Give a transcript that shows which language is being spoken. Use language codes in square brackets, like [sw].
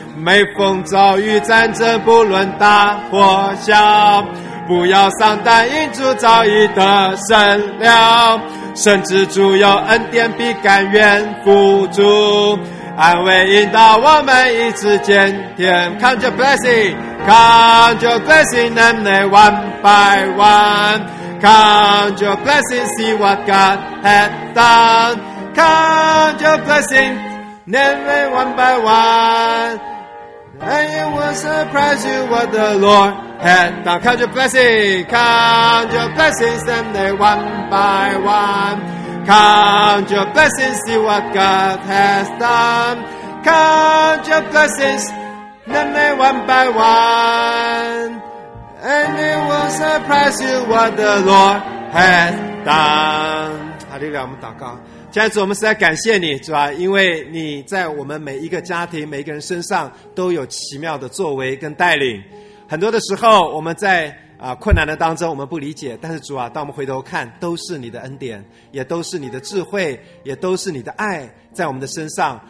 [zh] 每逢遭遇战争，不论大或小，不要丧胆，因主早已得胜了。甚至主有恩典，必甘愿付出，安慰引导我们一直坚定。 [en] Count your blessing, Count your blessing, name them one by one. Count your blessing, see what God had done. Count your blessing, name them one by one. And it will surprise you what the Lord had done. Count your blessings, count your blessings, and they one by one. Count your blessings, see what God has done. Count your blessings, and they one by one. And it will surprise you what the Lord has done. [zh] 好，力量，我们祷告。亲爱的主，我们实在感谢你，主啊，因为你在我们每一个家庭、每一个人身上都有奇妙的作为跟带领。很多的时候，我们在困难的当中，我们不理解，但是主啊，当我们回头看，都是你的恩典，也都是你的智慧，也都是你的爱在我们的身上。